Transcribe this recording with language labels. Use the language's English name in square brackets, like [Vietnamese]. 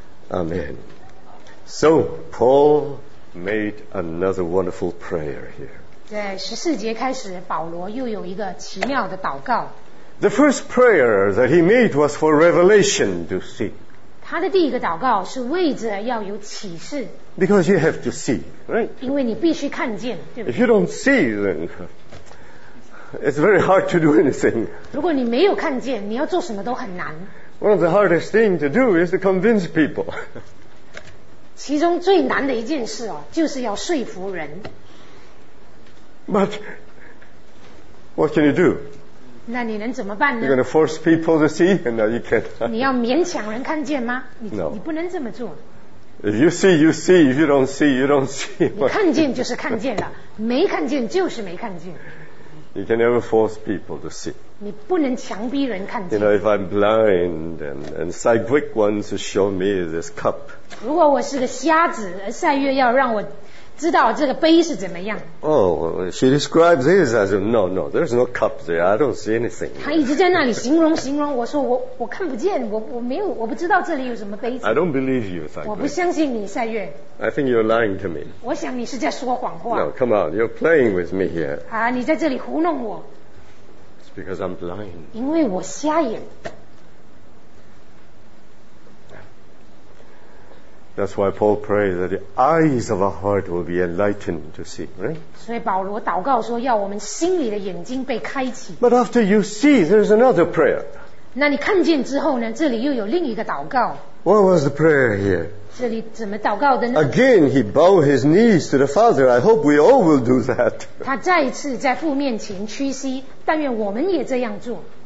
[English] Amen. So, Paul made another wonderful prayer here. [Chinese] 在十四节开始，保罗又有一个奇妙的祷告。 [English] The first prayer that he made was for revelation to see. [Chinese] 他的第一个祷告是为着要有启示。 [English] Because you have to see, right? [Chinese] 因为你必须看见，对不对？ [English] If you don't see, then it's very hard to do anything. [Chinese] 如果你没有看见，你要做什么都很难。 [English] One of the hardest things to do is to convince people. [Chinese] 其中最难的一件事哦，就是要说服人。 [English] But what can you do? [Chinese] 那你能怎么办呢？ [English] You're going to force people to see, and now you can't. [Chinese] 你要勉强人看见吗？ [English] No. [Chinese] 你不能这么做。 [English] If you see, you see. If you don't see, you don't see. [Chinese] 你看见就是看见了，没看见就是没看见。 [English] You can never force people to see. [Chinese] 你不能强逼人看见。 [English] You know, if I'm blind and Cy Gwick wants to show me this cup. [Chinese] 如果我是个瞎子，而赛月要让我知道这个杯是怎么样。 [English] Oh, she describes this as no, no, there's no cup there. I don't see anything. [Chinese] 她一直在那里形容，我说我看不见，我没有，我不知道这里有什么杯子。 [English] I don't believe you, Cy Gwick. [Chinese] 我不相信你，赛月。 [English] I think you're lying to me. [Chinese] 我想你是在说谎话。 [English] No, come on, you're playing with me here. [Chinese] 啊，你在这里糊弄我。 [English] It's because I'm blind. [Chinese] 因为我瞎眼。 [English] That's why Paul prays that the eyes of our heart will be enlightened to see, right? [Chinese] 所以保罗祷告说要我们心里的眼睛被开启。 [English] But after you see, there's another prayer. [Chinese] 那你看见之后呢？这里又有另一个祷告。 [English] What was the prayer here? [Chinese] 这里怎么祷告的呢？ [English] Again, he bowed his knees to the Father. I hope we all will do that. [Chinese] 他再一次在父面前屈膝，但愿我们也这样做。